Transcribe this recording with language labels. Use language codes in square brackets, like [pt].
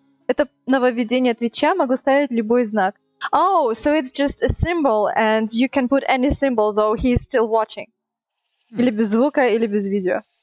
[ru] Это нововведение Твича, могу ставить любой знак. [en] Oh, so it's just a symbol and you can put any symbol though he's still watching. [ru] Или без звука, или без видео.